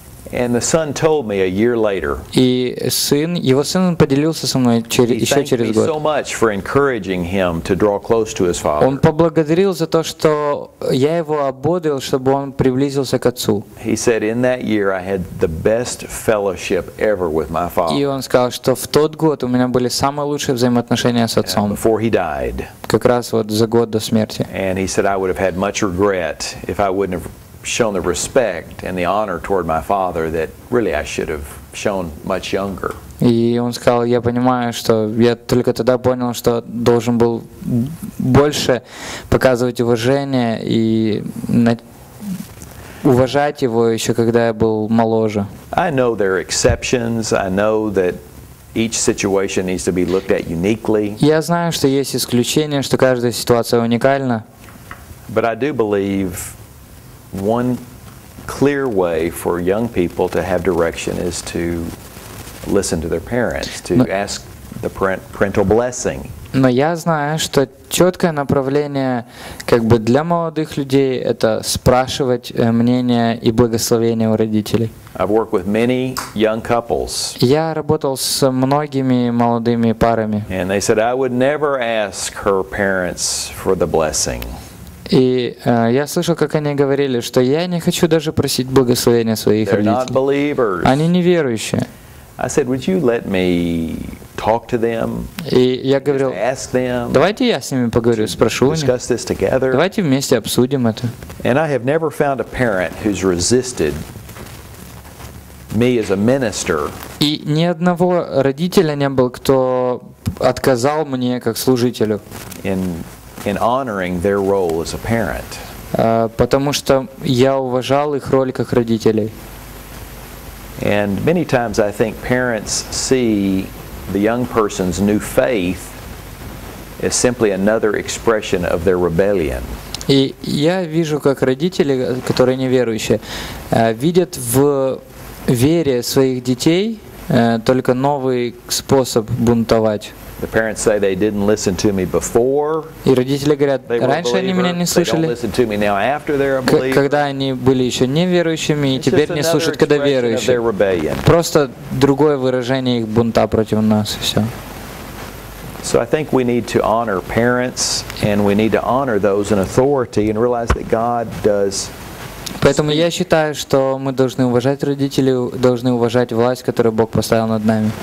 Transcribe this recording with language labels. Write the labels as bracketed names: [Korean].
[English] And the son told me a year later. [Russian] И сын, его сын поделился со мной еще через год. [English] He thanked me so much for encouraging him to draw close to his father. [Russian] Он поблагодарил за то, что я его ободрил, чтобы он приблизился к отцу. [English] He said, "In that year, I had the best fellowship ever with my father." [Russian] И он сказал, что в тот год у меня были самые лучшие взаимоотношения с отцом. [English] Before he died. [Russian] Как раз вот за год до смерти. [English] And he said, "I would have had much regret if I wouldn't have." Shown the respect and the honor toward my father that really I should have shown much younger. [Russian] И он сказал, я понимаю, что я только тогда понял, что должен был больше показывать уважение и уважать его еще когда я был моложе. [English] I know there are exceptions. I know that each situation needs to be looked at uniquely. [Russian] Я знаю, что есть исключения, что каждая ситуация уникальна. [English] But I do believe. One clear way for young people to have direction is to listen to their parents, to ask the parental blessing. [Russian] Но я знаю, что четкое направление, как бы для молодых людей, это спрашивать мнение и благословение у родителей. [English] I've worked with many young couples. [Russian] Я работал с многими молодыми парами. [English] And they said I would never ask her parents for the blessing. [Russian] И я слышал, как они говорили, что я не хочу даже просить благословения своих родителей. Они неверующие. [English] I said, "Would you let me talk to them?" [Russian] И я говорил, давайте я с ними поговорю, спрошу у них. [English] This together. [Russian] Давайте вместе обсудим это. [English] And I have never found a parent who's resisted me as a minister. [Russian] И ни одного родителя не было, кто отказал мне как служителю. [English] In honoring their role as a parent. [Russian] Потому что я уважал их роль как родителей. [English] And many times I think parents see the young person's new faith as simply another expression of their rebellion. [Russian] И я вижу, как родители, которые неверующие, видят в вере своих детей только новый способ бунтовать. [English] The parents say they didn't listen to me before. [Russian] И родители говорят, раньше они меня не слышали. [English] They don't listen to me now after they're a believer. [Russian] Когда они были еще неверующими, и теперь не слушают, когда верующие. Просто другое выражение их бунта против нас, и все. [English] So I think we need to honor parents, and we need to honor those in authority, and realize that God does. [Russian] Поэтому я считаю, что мы должны уважать родителей, должны уважать власть, которую Бог поставил над нами.